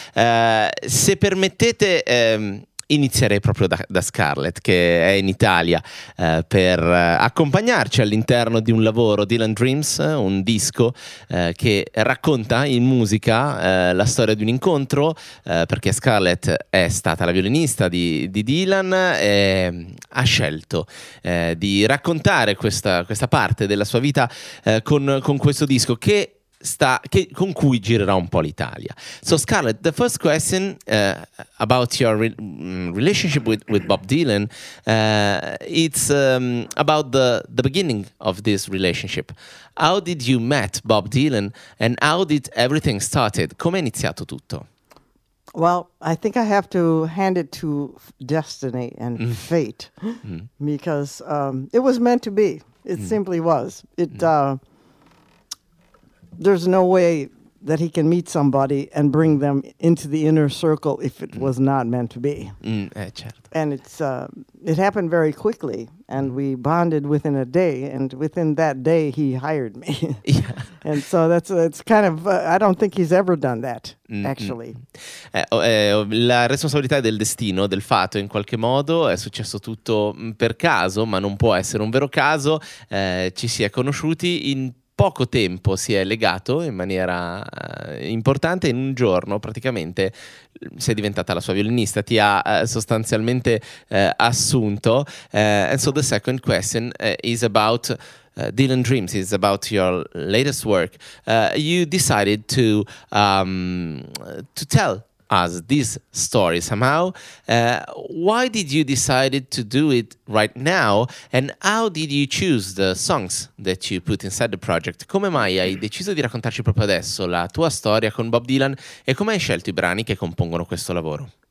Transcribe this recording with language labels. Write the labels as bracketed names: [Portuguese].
[Italian] Se permettete, inizierei proprio da Scarlett, che è in Italia per accompagnarci all'interno di un lavoro, Dylan Dreams, un disco che racconta in musica la storia di un incontro, perché Scarlett è stata la violinista di Dylan e ha scelto di raccontare questa parte della sua vita con questo disco con cui girerà un po' l'Italia. [English] So Scarlett, the first question about your relationship with Bob Dylan, it's about the beginning of this relationship. How did you meet Bob Dylan and how did everything started? [Italian] Come è iniziato tutto? [English] Well, I think I have to hand it to destiny and fate because it was meant to be. It simply was. There's no way that he can meet somebody and bring them into the inner circle if it was not meant to be. [Italian] Certo. [English] And it happened very quickly, and we bonded within a day, and within that day he hired me. Yeah. And so it's kind of, I don't think he's ever done that, actually. [Italian] La responsabilità del destino, del fato, in qualche modo, è successo tutto per caso, ma non può essere un vero caso, ci si è conosciuti in poco tempo, si è legato in maniera importante, in un giorno praticamente sei diventata la sua violinista, ti ha sostanzialmente assunto. [English] And so the second question is about Dylan Dreams, is about your latest work. You decided to tell us this story somehow. Why did you decide to do it right now? And how did you choose the songs that you put inside the project? [Italian] Come mai hai deciso di raccontarci proprio adesso la tua storia con Bob Dylan? E come hai scelto i brani che compongono questo lavoro?